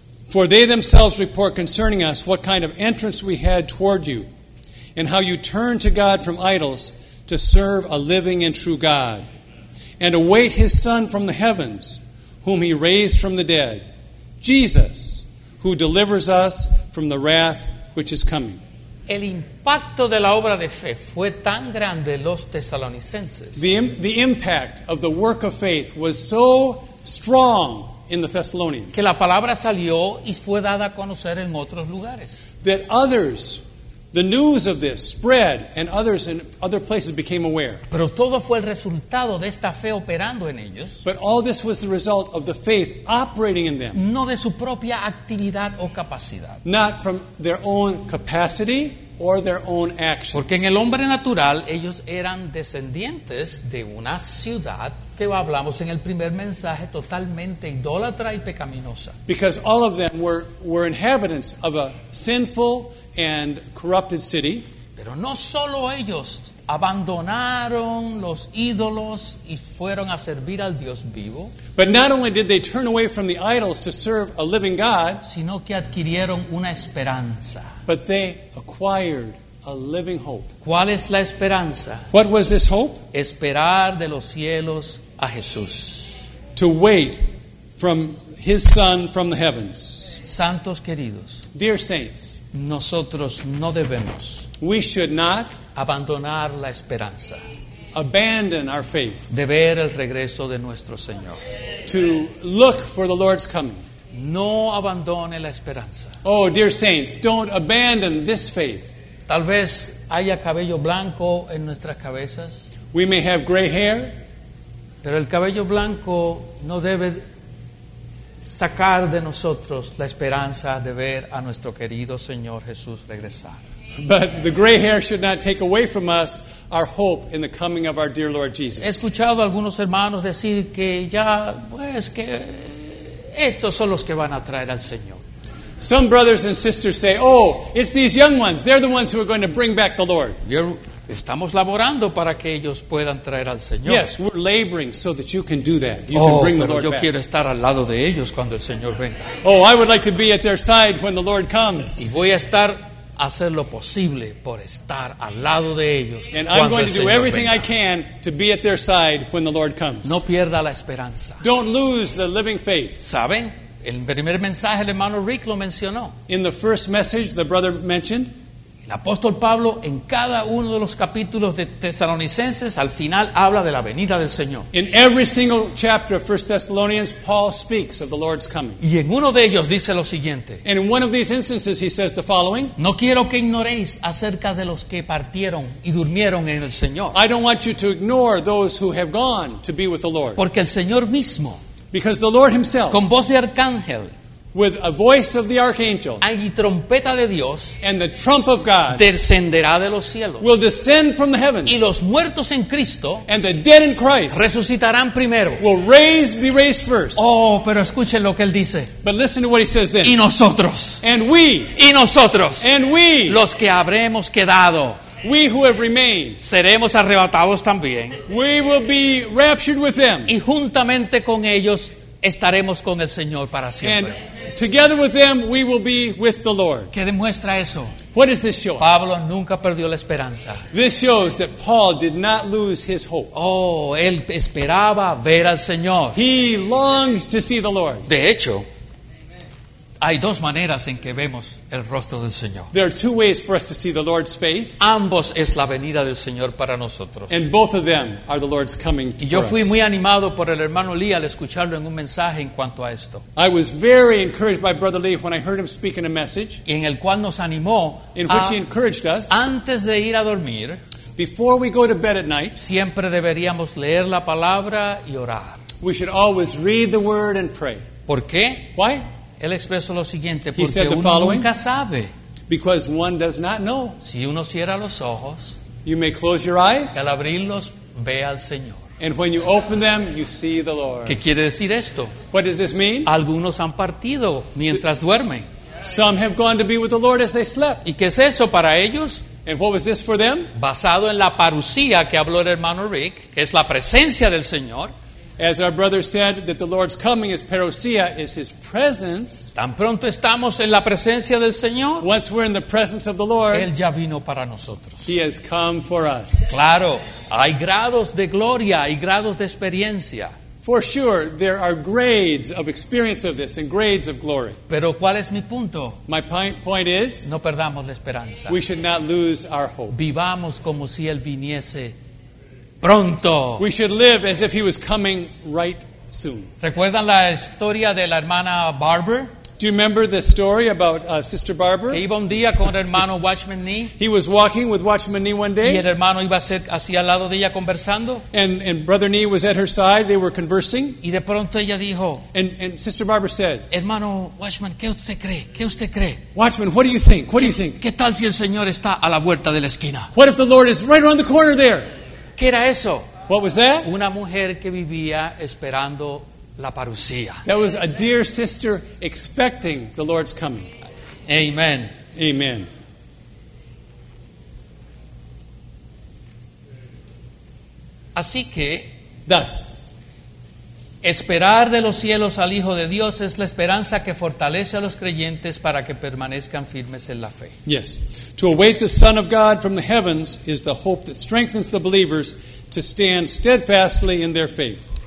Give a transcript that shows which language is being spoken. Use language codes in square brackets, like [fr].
[en] For they themselves report concerning us what kind of entrance we had toward you, and how you turned to God from idols to serve a living and true God, and await his Son from the heavens, whom he raised from the dead, Jesus, who delivers us from the wrath which is coming. [es] El impacto de la obra de fe fue tan grande los tesalonicenses. [en] The impact of the work of faith was so strong in the Thessalonians. [es] Que la palabra salió y fue dada a conocer en otros lugares. [en] That others, the news of this spread, and others in other places became aware. [es] Pero todo fue el resultado de esta fe operando en ellos. [en] But all this was the result of the faith operating in them. [es] No de su propia actividad o capacidad. [en] Not from their own capacity or their own actions. [es] Porque en el hombre natural ellos eran descendientes de una ciudad que hablamos en el primer mensaje totalmente idólatra y pecaminosa. [en] Because all of them were inhabitants of a sinful and corrupted city. [es] Pero no solo ellos abandonaron los ídolos y fueron a servir al Dios vivo. [en] But not only did they turn away from the idols to serve a living God, [es] sino que adquirieron una esperanza. [en] But they acquired a living hope. [es] ¿Cuál es la esperanza? [en] What was this hope? [es] Esperar de los cielos a Jesús. [en] To wait from his Son from the heavens. [es] Santos queridos. [en] Dear saints. [es] Nosotros no debemos. [en] We should not [es] abandonar la esperanza. [en] Abandon our faith. [es] De ver el regreso de nuestro Señor. [en] To look for the Lord's coming. [es] No abandone la esperanza. [en] Oh, dear saints, don't abandon this faith. [es] Tal vez haya cabello blanco en nuestras cabezas. [en] We may have gray hair. [es] Pero el cabello blanco no debe sacar de nosotros la esperanza de ver a nuestro querido Señor Jesús regresar. [en] But the gray hair should not take away from us our hope in the coming of our dear Lord Jesus. [es] He escuchado a algunos hermanos decir que ya, pues, que estos son los que van a traer al Señor. [en] Some brothers and sisters say, oh, it's these young ones. They're the ones who are going to bring back the Lord. [es] Estamos laborando para que ellos puedan traer al Señor. [en] Yes, we're laboring so that you can do that. You can bring the Lord back. [es] Oh, pero yo quiero estar al lado de ellos cuando el Señor venga. [en] Oh, I would like to be at their side when the Lord comes. [es] Y voy a estar a hacer lo posible por estar al lado de ellos cuando el Señor venga. [en] And I'm going to do everything I can to be at their side when the Lord comes. [es] No pierda la esperanza. [en] Don't lose the living faith. [es] ¿Saben? El primer mensaje el hermano Rick lo mencionó. [en] In the first message the brother mentioned. [es] El apóstol Pablo en cada uno de los capítulos de Tesalonicenses al final habla de la venida del Señor. [en] In every single chapter of 1 Thessalonians, Paul speaks of the Lord's coming. [es] Y en uno de ellos dice lo siguiente. [en] And in one of these instances he says the following. [es] No quiero que ignoréis acerca de los que partieron y durmieron en el Señor. [en] I don't want you to ignore those who have gone to be with the Lord. [es] Porque el Señor mismo. [en] Because the Lord himself. [es] Con voz de arcángel. [en] With a voice of the archangel [es] y trompeta de Dios, [en] and the trump of God [es] descenderá de los cielos, [en] will descend from the heavens [es] y los muertos en Cristo, [en] and the dead in Christ [es] resucitarán primero, [en] will raise, be raised first. [es] Oh, pero escuchen lo que él dice. [en] But listen to what he says then. [es] Y nosotros, [en] and we, [es] y nosotros, [en] and we, [es] los que habremos quedado, [en] we who have remained, [es] seremos arrebatados también, [en] we will be raptured with them, [es] y juntamente con ellos estaremos con el Señor para siempre. [en] And together with them, we will be with the Lord. [es] ¿Qué demuestra eso? [en] What does this show us? [es] Pablo nunca perdió la esperanza. [en] This shows that Paul did not lose his hope. [es] Oh, él esperaba ver al Señor. [en] He longed to see the Lord. [es] De hecho, hay dos maneras en que vemos el rostro del Señor. [en] There are two ways for us to see the Lord's face. [es] Ambos es la venida del Señor para nosotros. [en] And both of them are the Lord's coming for us. [es] Y yo fui muy animado por el hermano Lee al escucharlo en un mensaje en cuanto a esto. [en] I was very encouraged by Brother Lee when I heard him speak in a message. [es] Y en el cual nos animó. [en] In which he encouraged us. [es] Antes de ir a dormir. [en] Before we go to bed at night. [es] Siempre deberíamos leer la palabra y orar. [en] We should always read the word and pray. [es] ¿Por qué? [en] Why? [es] Él expresó lo siguiente, porque uno nunca sabe. [en] Because one does not know. [es] Si uno cierra los ojos, [en] you may close your eyes. [es] Al abrirlos, ve al Señor. [en] And when you open them, you see the Lord. [es] ¿Qué quiere decir esto? [en] What does this mean? [es] Algunos han partido mientras duermen. [en] Some have gone to be with the Lord as they slept. [es] ¿Y qué es eso para ellos? [en] And what was this for them? [es] Basado en la parusía que habló el hermano Rick, que es la presencia del Señor. [en] As our brother said, that the Lord's coming is parousia, is His presence. [es] Tan pronto estamos en la presencia del Señor. [en] Once we're in the presence of the Lord, [es] Él ya vino para nosotros. [en] He has come for us. [es] Claro, hay grados de gloria y grados de experiencia. [en] For sure, there are grades of experience of this and grades of glory. [es] Pero ¿cuál es mi punto? [en] My point is, [es] no perdamos la esperanza. [en] We should not lose our hope. [es] Vivamos como si Él viniese pronto. [en] We should live as if He was coming right soon. [es] ¿Recuerdan la historia de la hermana Barber? [en] Do you remember the story about Sister Barber? [es] Que iba un día con el hermano Watchman Nee. [en] He was walking with Watchman Nee one day. [es] Y el hermano iba así al lado de ella conversando. [en] And Brother Nee was at her side. They were conversing. [es] Y de pronto ella dijo. [en] And Sister Barber said. [es] Hermano Watchman, ¿qué usted cree? ¿Qué usted cree? [en] Watchman, what do you think? What do you think? [es] ¿Qué tal si el Señor está a la vuelta de la esquina? [en] What if the Lord is right around the corner there? [es] ¿Qué era eso? [en] What was that? [es] Una mujer que vivía esperando la parusía. [en] That was a dear sister expecting the Lord's coming. [es] Amen. [en] Amen. [es] Así que, [en] thus, [es] esperar de los cielos al Hijo de Dios es la esperanza que fortalece a los creyentes para que permanezcan firmes en la fe. [en] Yes. To await the Son of God from the heavens is the hope that strengthens the believers to stand steadfastly in their faith.